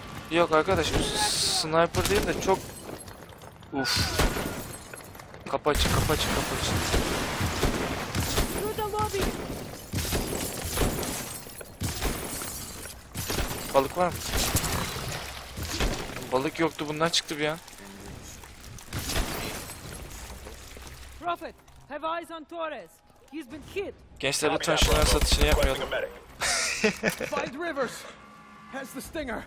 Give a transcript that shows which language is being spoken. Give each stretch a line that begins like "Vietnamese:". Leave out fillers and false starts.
Turkish: Yok arkadaş, sniper değil de çok... Uf. Kapaçı kapaçı kapaçı. Balık var mı? Balık yoktu, bundan çıktı bir an.
English: Prophet, have eyes on Torres. He's been hit.
Turkish: Gençler lütfen şunların satışını yapmayalım.
English: Fight Rivers has the stinger.